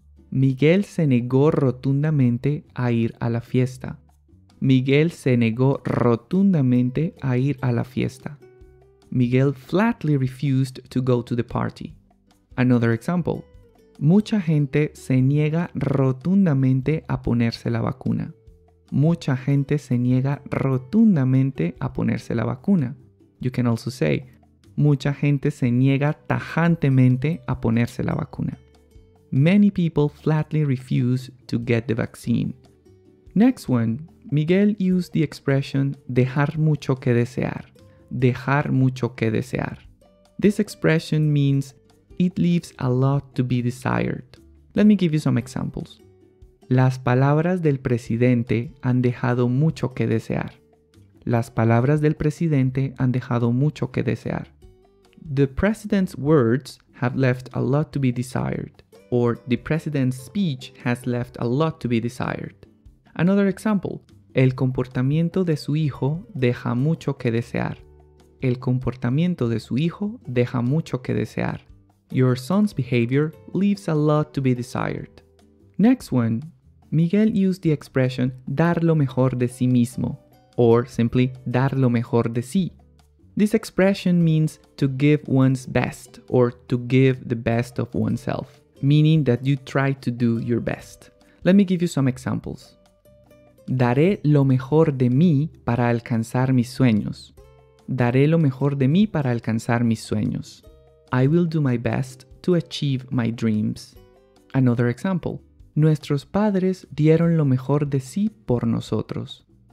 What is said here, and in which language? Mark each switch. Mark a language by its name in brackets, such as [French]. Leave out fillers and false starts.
[Spanish] Miguel se negó rotundamente a ir a la fiesta. Miguel se negó rotundamente a ir a la fiesta. [English] Miguel flatly refused to go to the party. Another example. [Spanish] Mucha gente se niega rotundamente a ponerse la vacuna. Mucha gente se niega rotundamente a ponerse la vacuna. [English] You can also say, [Spanish] mucha gente se niega tajantemente a ponerse la vacuna. [English] Many people flatly refuse to get the vaccine. Next one, Miguel used the expression [Spanish] dejar mucho que desear. Dejar mucho que desear. [English] This expression means it leaves a lot to be desired. Let me give you some examples. [Spanish] Las palabras del presidente han dejado mucho que desear. Las palabras del presidente han dejado mucho que desear. [English] The president's words have left a lot to be desired. Or the president's speech has left a lot to be desired. Another example. [Spanish] El comportamiento de su hijo deja mucho que desear. El comportamiento de su hijo deja mucho que desear. [English] Your son's behavior leaves a lot to be desired. Next one. Miguel used the expression [Spanish] dar lo mejor de sí mismo, [English] or simply [Spanish] dar lo mejor de sí. [English] This expression means to give one's best, or to give the best of oneself, meaning that you try to do your best. Let me give you some examples. [Spanish] Daré lo mejor de mí para alcanzar mis sueños. Daré lo mejor de mí para alcanzar mis sueños. [English] I will do my best to achieve my dreams. Another example. [Spanish] Nuestros padres dieron lo mejor de sí por nosotros.